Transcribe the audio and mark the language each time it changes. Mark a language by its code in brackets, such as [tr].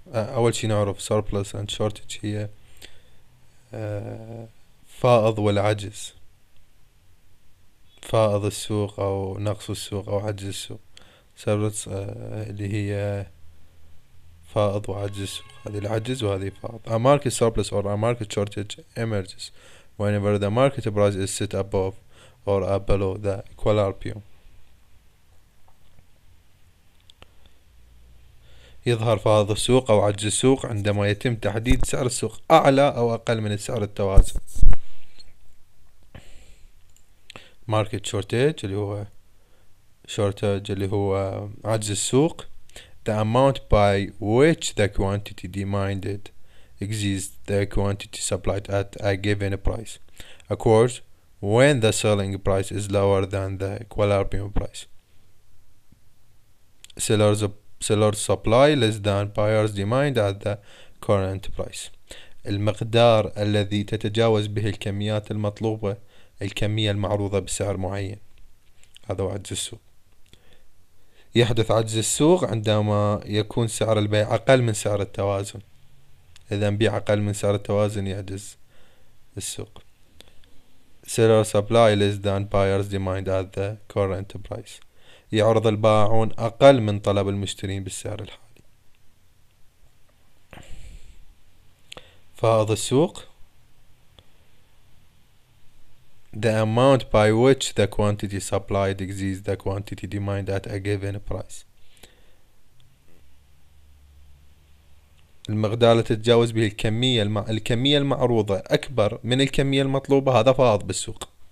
[ar] أول شيء نعرف [en] surplus and shortage [ar] هي فائض والعجز. فائض السوق أو نقص السوق أو عجز السوق. surplus اللي هي فائض وعجز السوق. هذه العجز وهذه فائض. [en] A market surplus or a market shortage emerges whenever the market price is set above or below the equilibrium. [ar] يظهر فائض السوق أو عجز السوق عندما يتم تحديد سعر السوق أعلى أو أقل من سعر التوازن. Market shortage اللي هو shortage اللي هو عجز السوق. [en] The amount by which the quantity demanded exceeds the quantity supplied at a given price. Of course, when the selling price is lower than the equilibrium price. Seller's supply less than buyer's demand at the current price. [ar] المقدار الذي تتجاوز به الكميات المطلوبة الكمية المعروضة بسعر معين. هذا عجز السوق. يحدث عجز السوق عندما يكون سعر البيع أقل من سعر التوازن. إذا بيع أقل من سعر التوازن يعجز السوق. [en] Seller supply less than buyer's demand at the current price. [ar] يعرض البائعون أقل من طلب المشترين بالسعر الحالي. فائض السوق. [en] The amount by which the quantity supplied exceeds the quantity demanded at a given price. [ar] المقدار اللي تتجاوز به الكمية المعروضة أكبر من الكمية المطلوبة هذا فائض بالسوق.